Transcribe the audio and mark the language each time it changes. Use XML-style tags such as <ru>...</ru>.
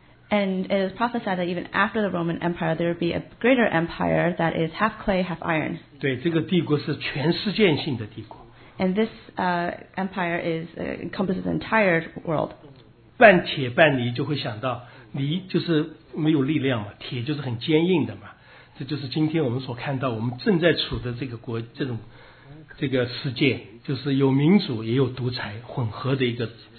<en>And it is prophesied that even after the Roman Empire, there will be a greater empire that is half clay, half iron.</en> <zh>对, 这个帝国是全世界性的帝国。</zh> <en>And this empire is encompasses the entire world.</en> <zh>半铁半泥就会想到泥就是没有力量嘛, 铁就是很坚硬的嘛, 这就是今天我们所看到, 我们正在处的这个国这种, 这个世界, 就是有民主, 也有独裁, 混合的一个,</zh>